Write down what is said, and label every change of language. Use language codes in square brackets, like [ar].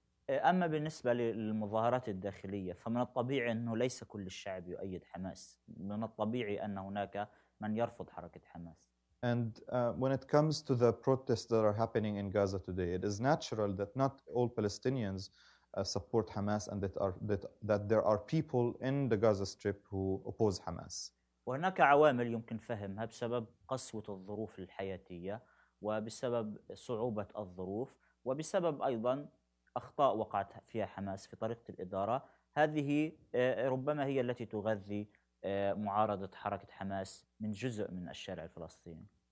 [ar] أما بالنسبة للمظاهرات الداخلية فمن الطبيعي أنه ليس كل الشعب يؤيد حماس. من الطبيعي أن هناك من يرفض حركة حماس. [en] And when it comes to the protests that are happening in Gaza today, it is natural that not all Palestinians support Hamas and that there are people in the Gaza Strip who oppose Hamas. [ar] وهناك عوامل يمكن فهمها بسبب قسوة الظروف الحياتية وبسبب صعوبة الظروف وبسبب أيضا أخطاء وقعت فيها حماس في طريقة الإدارة. هذه ربما هي التي تغذي معارضة حركة حماس من جزء من الشارع الفلسطيني.